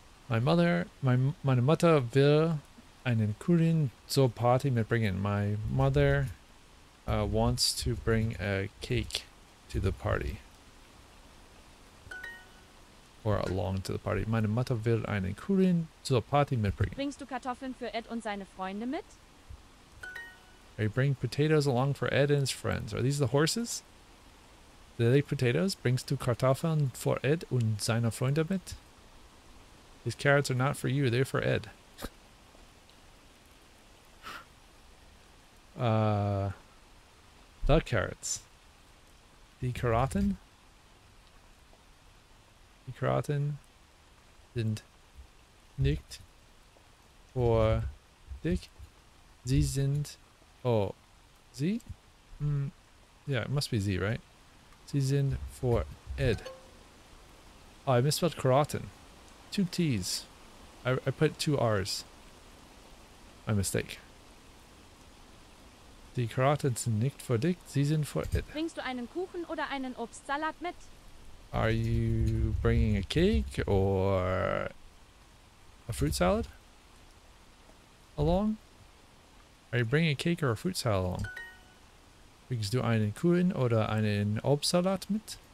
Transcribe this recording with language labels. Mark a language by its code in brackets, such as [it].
[de] Meine Mutter will einen Kuchen zur Party mitbringen. [en] My mother wants to bring a cake to the party. Or along to the party. [de] Meine Mutter will einen Kuchen zur Party mitbringen. Bringst du Kartoffeln für Ed und seine Freunde mit? [en] Are you bringing potatoes along for Ed and his friends? Are these the horses? Do they eat potatoes? [de] Bringst du Kartoffeln für Ed und seine Freunde mit? [en] These carrots are not for you, they're for Ed. The carrots. The Karotten? The [de] Karotten sind nicht [en] for [de] Dick. Sie sind, [en] oh, sie? Yeah, it must be sie, right? [de] Sie sind [en] for Ed. Oh, I misspelled Karotten. Two T's. I put two R's. My mistake. [de] Die Karotten sind nicht für dich, sie sind für Ed. Bringst du einen Kuchen oder einen Obstsalat mit? [en] Are you bringing a cake or a fruit salad along? Are you bringing a cake or a fruit salad along? [de] Bringst du einen Kuchen oder einen Obstsalat mit?